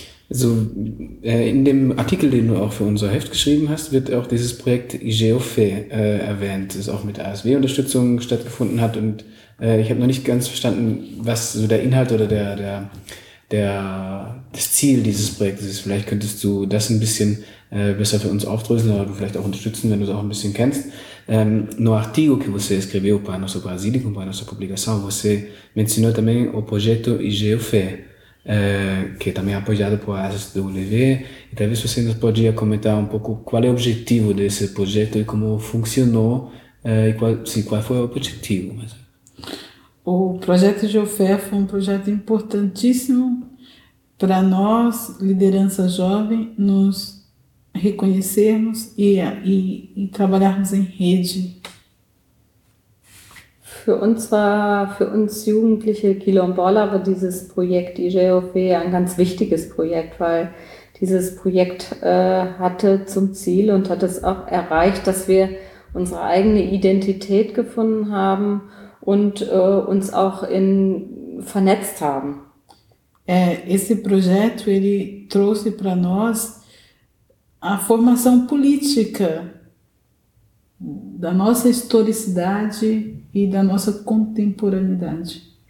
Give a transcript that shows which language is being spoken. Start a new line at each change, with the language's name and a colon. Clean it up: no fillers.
German: Also in dem Artikel, den du auch für unser Heft geschrieben hast, wird auch dieses Projekt IGEOFE erwähnt, das auch mit ASW-Unterstützung stattgefunden hat. Und ich habe noch nicht ganz verstanden, was so der Inhalt oder das Ziel dieses Projektes ist. Vielleicht könntest du das ein bisschen besser für uns aufdröseln oder vielleicht auch unterstützen, wenn du es auch ein bisschen kennst.
Portuguese: No artigo que você escreveu para nosso Brasil e para nossa publicação, você mencionou também o projeto IGEOFE, que também é apoiado por ASW. E talvez você nos podia comentar um pouco qual é o objetivo desse projeto e como funcionou, e qual foi o objetivo. O projeto IGEOFE foi um projeto importantíssimo para nós, liderança jovem, nos reconhecermos e trabalharmos em rede.
German: Für uns Jugendliche Quilombola war dieses Projekt IGEOFE ein ganz wichtiges Projekt, weil dieses Projekt hatte zum Ziel und hat es auch erreicht, dass wir unsere eigene Identität gefunden haben und uns auch vernetzt haben.
Portuguese: Esse projeto ele trouxe para nós a formação política da nossa historicidade e da nossa contemporaneidade.